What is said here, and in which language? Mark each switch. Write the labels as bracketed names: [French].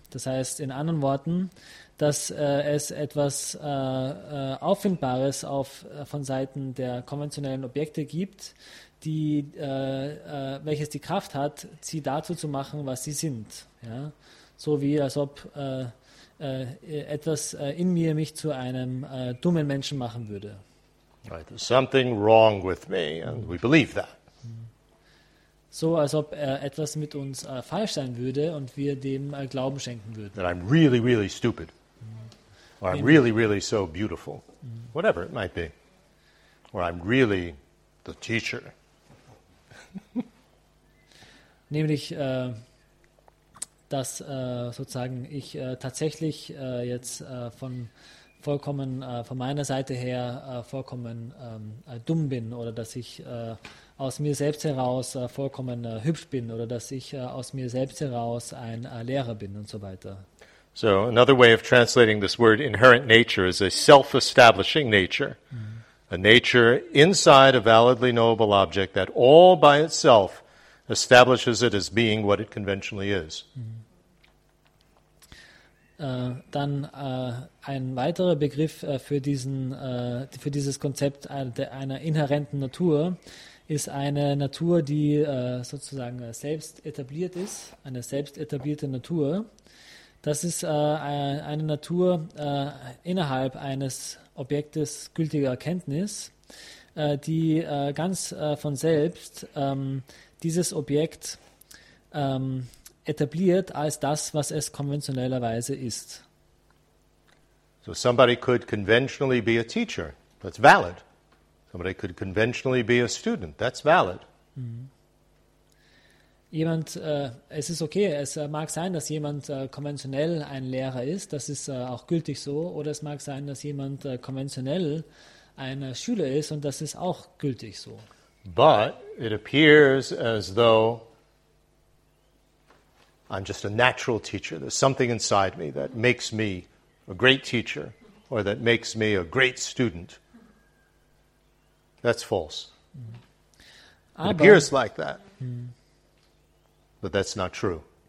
[German] Das heißt, in anderen Worten, dass es etwas Auffindbares von Seiten der konventionellen Objekte gibt, die, welches die Kraft hat, sie dazu zu machen, was sie sind. Ja? So wie, als ob etwas in mir mich zu einem dummen Menschen machen würde. [English] Right. There's something wrong with me, and we believe that. [German] So, als ob etwas mit uns falsch sein würde und wir dem Glauben schenken würden. [English] That I'm really, really stupid. Or I'm really, really so beautiful. Whatever it might be. Or I'm really the teacher. [German] Nämlich, dass sozusagen ich tatsächlich jetzt von vollkommen von meiner Seite her vollkommen dumm bin, oder dass ich aus mir selbst heraus vollkommen hübsch bin, oder dass ich aus mir selbst heraus ein Lehrer bin und so weiter. [English] So another way of translating this word inherent nature is a self-establishing nature. A nature inside a validly knowable object that all by itself establishes it as being what it conventionally is. [German] Dann ein weiterer Begriff für diesen für dieses Konzept einer inhärenten Natur ist eine Natur, die sozusagen selbst etabliert ist, eine selbst etablierte Natur. Das ist eine Natur innerhalb eines Objektes gültiger Erkenntnis, die ganz von selbst dieses Objekt etabliert als das, was es konventionellerweise ist. [English] So somebody could conventionally be a teacher. That's valid. Somebody could conventionally be a student. That's valid. Mm-hmm. [German] Jemand, es ist okay, es mag sein, dass jemand konventionell ein Lehrer ist, das ist auch gültig so, oder es mag sein, dass jemand konventionell ein Schüler ist, und das ist auch gültig so. [English] But it appears as though I'm just a natural teacher. There's something inside me that makes me a great teacher, or that makes me a great student. That's false. Mm-hmm. It appears like that. Mm-hmm. But that's not true.